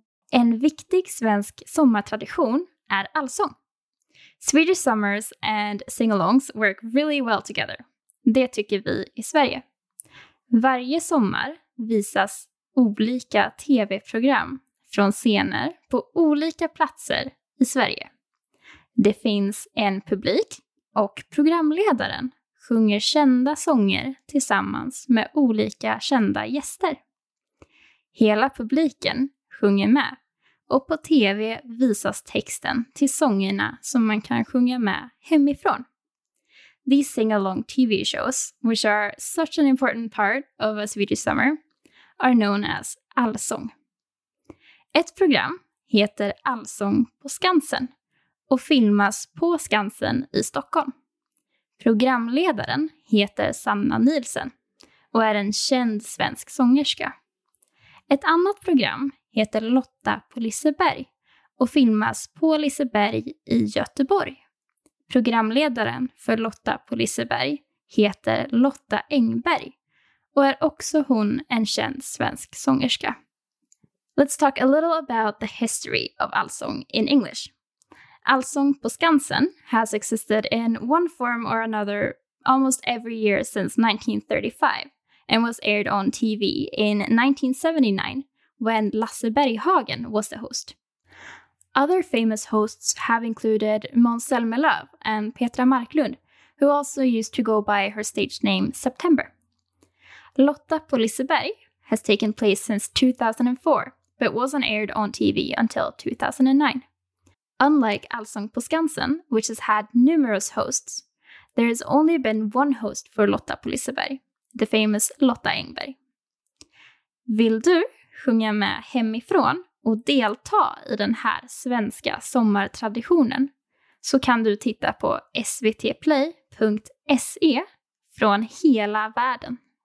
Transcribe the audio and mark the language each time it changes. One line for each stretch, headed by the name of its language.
Swedish: En viktig svensk sommartradition är allsång.
English: Swedish summers and singalongs work really well together.
Swedish: Det tycker vi i Sverige. Varje sommar visas olika tv-program från scener på olika platser i Sverige. Det finns en publik och programledaren sjunger kända sånger tillsammans med olika kända gäster. Hela publiken sjunger med. Och på tv visas texten till sångerna som man kan sjunga med hemifrån.
English: These sing-along TV shows, which are such an important part of a Swedish summer, are known as allsång.
Swedish: Ett program heter Allsång på Skansen och filmas på Skansen i Stockholm. Programledaren heter Sanna Nilsen och är en känd svensk sångerska. Ett annat program heter Lotta på Liseberg och filmas på Liseberg i Göteborg. Programledaren för Lotta på Liseberg heter Lotta Engberg och är också hon en känd svensk sångerska.
English: Let's talk a little about the history of allsång in English. Allsång på Skansen has existed in one form or another almost every year since 1935 and was aired on TV in 1979. When Lasse Berghagen was the host. Other famous hosts have included Måns Zelmerlöw and Petra Marklund, who also used to go by her stage name September. Lotta på Liseberg has taken place since 2004, but wasn't aired on TV until 2009. Unlike Allsång på Skansen, which has had numerous hosts, there has only been one host for Lotta på Liseberg, the famous Lotta Engberg.
Swedish: Vill du sjunga med hemifrån och delta i den här svenska sommartraditionen så kan du titta på svtplay.se från hela världen.